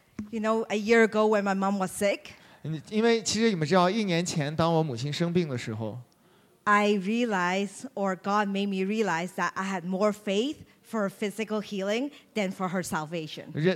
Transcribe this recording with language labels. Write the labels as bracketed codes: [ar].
[en] You know, a year ago when my mom was sick, [zh] 因为其实你们知道，一年前当我母亲生病的时候， [en] I realized, or God made me realize, that I had more faith for physical healing than for her salvation.